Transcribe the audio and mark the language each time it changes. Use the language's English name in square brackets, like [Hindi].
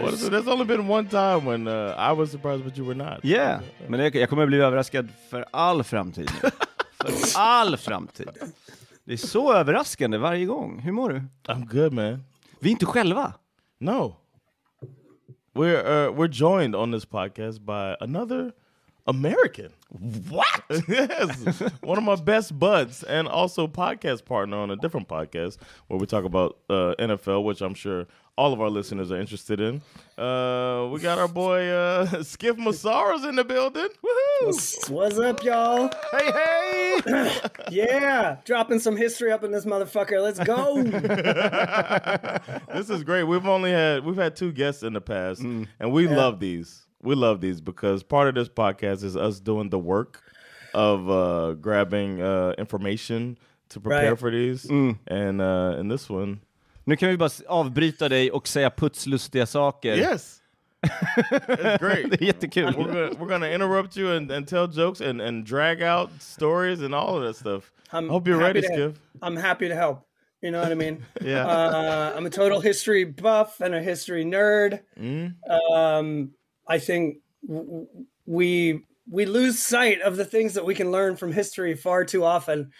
[English] Well, so there's only been one time when I was surprised but you were not. Yeah. [Swedish] Men jag kommer bli överraskad för all framtid. För all framtid. Det är så överraskande varje gång. Hur mår du? [English] I'm good, man. [Swedish] Vi är inte själva. [English] No. We're joined on this podcast by another American. What? Yes. One of my best buds and also podcast partner on a different podcast where we talk about NFL, which I'm sure all of our listeners are interested in. We got our boy Skiff Massara's in the building. Woohoo! What's up, y'all? Hey, hey! Yeah! Dropping some history up in this motherfucker. Let's go! This is great. We've had two guests in the past, and we love these. We love these because part of this podcast is us doing the work of grabbing information to prepare for these. Mm. And in this one... [Swedish] Nu kan vi bara avbryta dig och säga putslustiga saker. [English] Yes! It's great. [Swedish] Det är jättekul. [English] We're going to interrupt you and tell jokes and drag out stories and all of that stuff. I'm hope you're ready, Skiff. I'm happy to help. You know what I mean? Yeah. I'm a total history buff and a history nerd. I think we lose sight of the things that we can learn from history far too often.